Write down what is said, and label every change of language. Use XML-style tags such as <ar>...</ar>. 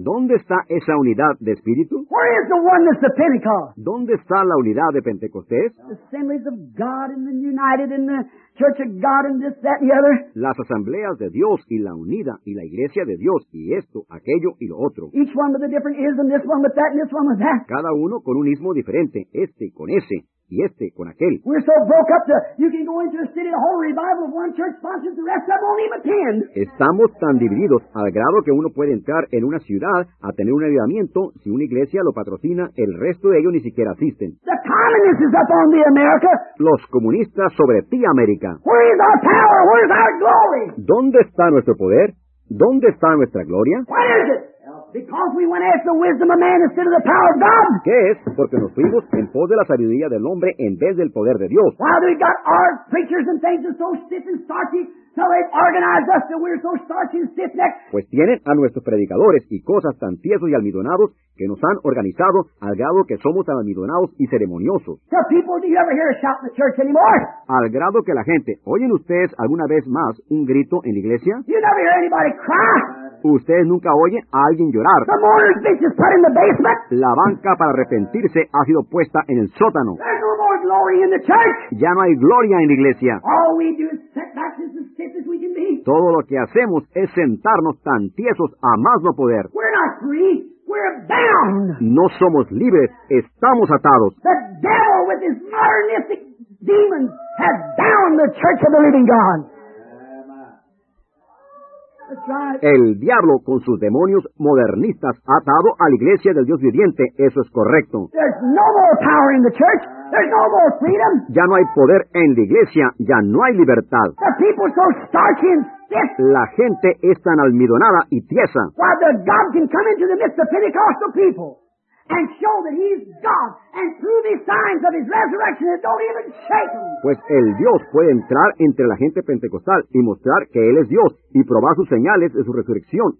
<es>¿Dónde está esa unidad de espíritu?</es> <en>Where is the oneness of Pentecost?</en> <es>¿Dónde está la unidad de Pentecostés?</es> <en>The assemblies of God and the united and the church of God and this, that, and the other.</en> <es>Las asambleas de Dios y la unida y la iglesia de Dios y esto, aquello y lo otro.</es> <en>Each one with a different ism, this one with that and this one with that.</en> <es>Cada uno con un ismo diferente, este con ese y este con aquel.</es> <en>We're so broke up to, you can go into a city, a whole revival of one church sponsors, the rest of them won't even attend.</en> <es>Estamos tan divididos al grado que uno puede entrar en una ciudad a tener un avivamiento si una iglesia lo patrocina, el resto de ellos ni siquiera asisten.</es> <en>The communists is up on the America.</en> <es>Los comunistas sobre ti, América.</es> <en>Where is our power? Where is our glory?</en> <es>¿Dónde está nuestro poder? ¿Dónde está nuestra gloria?</es> <en>What is it? Because we went after the wisdom of man instead of the power of God.</en> <es>¿Qué es? Porque nos fuimos en pos de la sabiduría del hombre en vez del poder de Dios.</es> <en>Why do we got our preachers and things so stiff and starchy? So they've organized us that we're so starchy and stiff-necked.</en> <es>Pues tienen a nuestros predicadores y cosas tan tiesos y almidonados que nos han organizado al grado que somos tan almidonados y ceremoniosos.</es> <en>So people, do you ever hear a shout in the church anymore?</en> <es>Al grado que la gente, ¿oyen ustedes alguna vez más un grito en la iglesia?</es> <en>You never hear anybody cry.</en> <es>Ustedes nunca oyen a alguien llorar.</es> <en>The mourner's bitch is put in the basement.</en> <es>La banca para arrepentirse ha sido puesta en el sótano.</es> <en>There's no more glory in the church.</en> <es>Ya no hay gloria en la iglesia.</es> <en>All we do is set back as stiff as we can be.</en> <es>Todo lo que hacemos es sentarnos tan tiesos a más no poder.</es> <en>We're not free. We're bound.</en> <es>No somos libres. Estamos atados.</es> <en>The devil with his modernistic demons has bound the church of the living God.</en> <es>El diablo con sus demonios modernistas ha atado a la iglesia del Dios viviente. Eso es correcto.</es> <en>There's no more power in the church. There's no more freedom.</en> <es>Ya no hay poder en la iglesia. Ya no hay libertad.</es> <en>The people are so starchy and stiff.</en> <es>La gente es tan almidonada y tiesa.</es> <en>Why the God can come into the midst of Pentecostal people and show that he's God and prove his signs of his resurrection that don't even shake him.</en> <es>Pues el Dios puede entrar entre la gente pentecostal y mostrar que él es Dios y probar sus señales de su resurrección.</es>